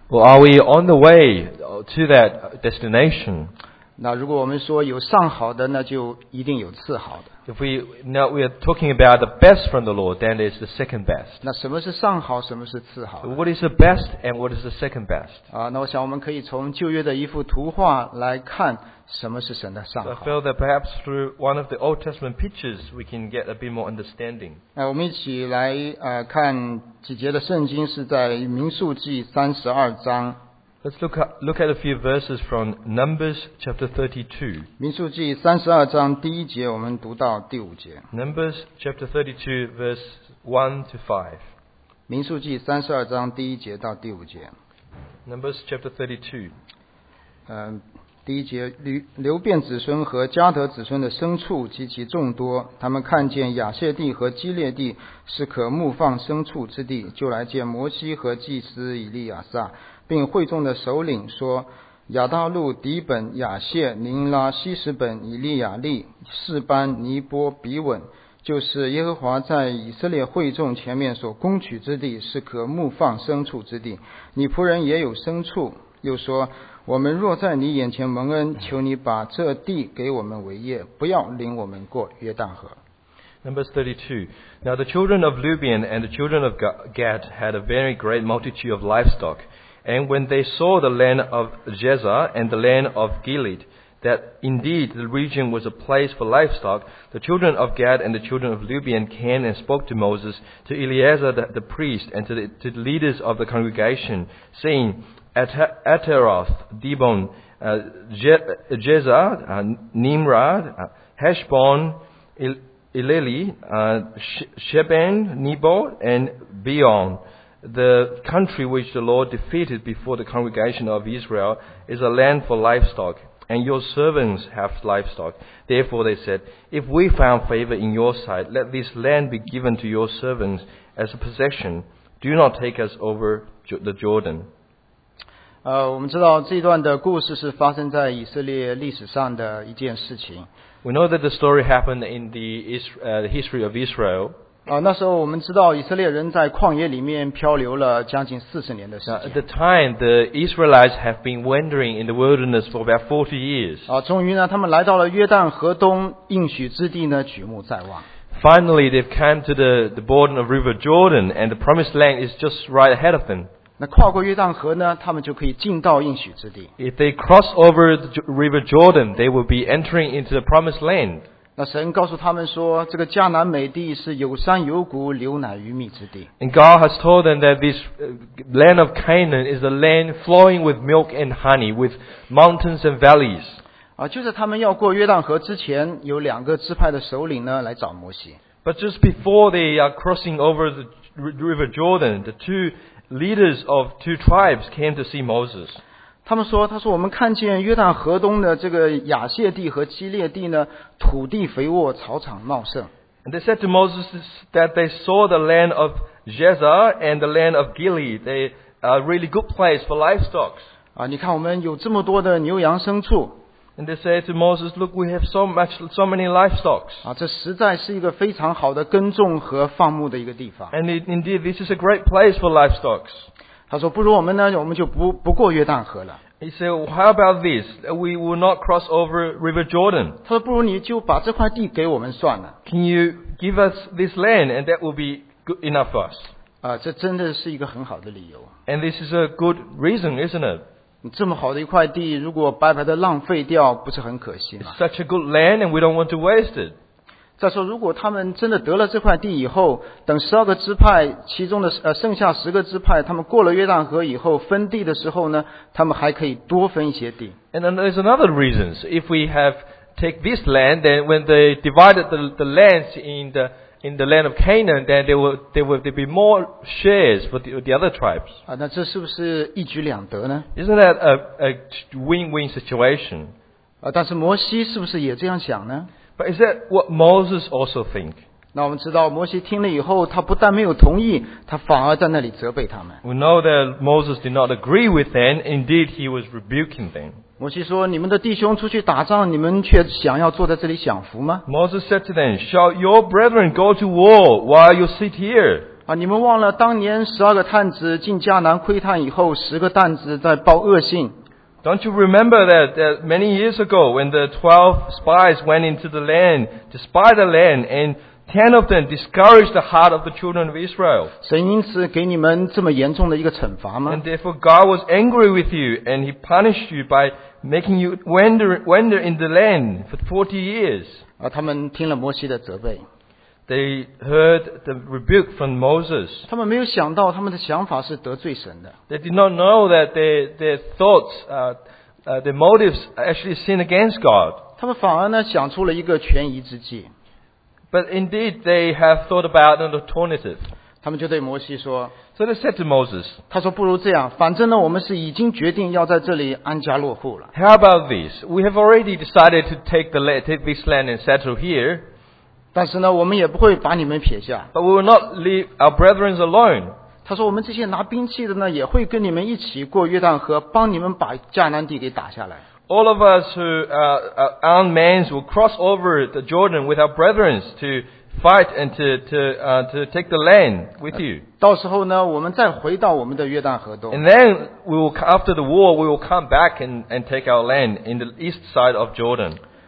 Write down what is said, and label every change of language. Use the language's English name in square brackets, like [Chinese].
[English] Well, are we on the way to that destination? [Chinese] 那如果我们说有上好的，那就一定有次好的。 [English] If we are talking about the best from the Lord, then it's the second best. [Chinese] 那什么是上好，什么是次好？ [English] What is the best and what is the second best? [Chinese] 那我想我们可以从旧约的一幅图画来看什么是神的上好。 [English] So I feel that perhaps through one of the Old Testament pictures, we can get a bit more understanding. [Chinese] 我们一起来看几节的圣经，是在民数记三十二章。 [English] Let's look at a few verses from Numbers chapter 32. [Chinese] 民数记三十二章第一节，我们读到第五节。 [English] Numbers chapter 32, verse 1-5. [Chinese] 民数记三十二章第一节到第五节。 [English] Numbers chapter 32. [Chinese] 第一节，流便子孙和加德子孙的牲畜极其众多，他们看见亚谢地和基列地是可牧放牲畜之地，就来见摩西和祭司以利亚撒。并会众的首领说，亚大路、底本、亚谢、宁拉、西实本、以利亚利、士班、尼波、比稳，就是耶和华在以色列会众前面所攻取之地，是可牧放牲畜之地。你仆人也有牲畜。又说，我们若在你眼前蒙恩，求你把这地给我们为业，不要领我们过约旦河。 [English] Numbers 32. Now the children of Reuben and the children of Gad had a very great multitude of livestock. And when they saw the land of Jezer and the land of Gilead, that indeed the region was a place for livestock, the children of Gad and the children of Reuben came and spoke to Moses, to Eleazar the priest, and to the leaders of the congregation, saying, Ataroth, Dibon, Jezer, Nimrod, Heshbon, Eleli, Sheban, Nebo, and Beon, the country which the Lord defeated before the congregation of Israel is a land for livestock, and your servants have livestock. Therefore they said, if we found favor in your sight, let this land be given to your servants as a possession. Do not take us over the Jordan. [Chinese] 我们知道这段的故事是发生在以色列历史上的一件事情。 [English] We know that the story happened in the history of Israel. [Chinese] 那时候我们知道以色列人在旷野里面漂流了将近40年的时间。 [English] At the time, the Israelites have been wandering in the wilderness for about 40 years. [Chinese] 终于呢他们来到了约旦河东应许之地呢举目在望。 [English] Finally, they've come to the border of River Jordan, and the promised land is just right ahead of them. [Chinese] 那跨过约旦河呢，他们就可以进到应许之地。 [English] If they cross over the River Jordan, they will be entering into the promised land. [Chinese] 那神告诉他们说，这个迦南美地是有山有谷、流奶与蜜之地。 [English] And God has told them that this land of Canaan is a land flowing with milk and honey, with mountains and valleys. [Chinese] 就在他们要过约旦河之前，有两个支派的首领呢来找摩西。 [English] But just before they are crossing over the River Jordan, the two leaders of two tribes came to see Moses. [Chinese] 他说我们看见约旦河东的这个亚谢地和基列地呢，土地肥沃，草场茂盛。 [English] And they said to Moses that they saw the land of Jezer and the land of Gilead. They are really good place for livestock. [Chinese] 你看我们有这么多的牛羊牲畜。 [English] And they say to Moses, look, we have so many livestock. [Chinese] 这实在是一个非常好的耕种和放牧的一个地方。 [English] And indeed, this is a great place for livestock. [Chinese] 他说不如我们呢我们就不过约旦河了。 [English] He said, how about this? We will not cross over River Jordan. [Chinese] 他说不如你就把这块地给我们算了。 [English] Can you give us this land and that will be good enough for us? [Chinese] 这真的是一个很好的理由。 [English] And this is a good reason, isn't it? [Chinese] 这么好的一块地如果白白的浪费掉不是很可惜吗 [English] It's such a good land and we don't want to waste it. [Chinese] 再说如果他们真的得了这块地以后等十二个支派其中的剩下十个支派他们过了约旦河以后分地的时候呢他们还可以多分一些地。 [English] And then there's another reason. If we have take this land, then when they divided the lands in the land of Canaan, then there will be more shares for the other tribes. [Chinese] 那这是不是一举两得呢 [English] Isn't that a win-win situation? [Chinese] 但是摩西是不是也这样想呢 [English] But is that what Moses also think? [Chinese] 那我们知道摩西听了以后他不但没有同意他反而在那里责备他们。 [English] We know that Moses did not agree with them. Indeed, he was rebuking them. [Chinese] 摩西说你们的弟兄出去打仗你们却想要坐在这里享福吗 [English] Moses said to them, shall your brethren go to war while you sit here? [Chinese] 你们忘了当年十二个探子进迦南窥探以后十个探子在报恶信 [English] Don't you remember that many years ago when the 12 spies went into the land to spy the land and 10 of them discouraged the heart of the children of Israel? [Chinese] 神因此给你们这么严重的一个惩罚吗 [English] And therefore God was angry with you and he punished you by making you wander in the land for 40 years. [Chinese] 他们听了摩西的责备。 [English] They heard the rebuke from Moses. [Chinese] 他们没有想到他们的想法是得罪神的。 [English] They did not know that their thoughts, their motives actually sin against God. [Chinese] 他们反而呢想出了一个权宜之计。 [English] But indeed, they have thought about an alternative. [Chinese] 他们就对摩西说 [English] So they said to Moses, [Chinese] 他说不如这样反正呢我们是已经决定要在这里安家落户了。 [English] How about this? We have already decided to take this land and settle here. [Chinese] 但是呢我们也不会把你们撇下。 [English] But we will not leave our brethren alone. [Chinese] 他说我们这些拿兵器的呢也会跟你们一起过约旦河帮你们把迦南地给打下来。 [English] All of us who are armed men will cross over the Jordan with our brethren to fight and to take the land with you. [Chinese] 到时候呢我们再回到我们的约旦河东。 [English] And then, after the war, we will come back and take our land in the east side of Jordan.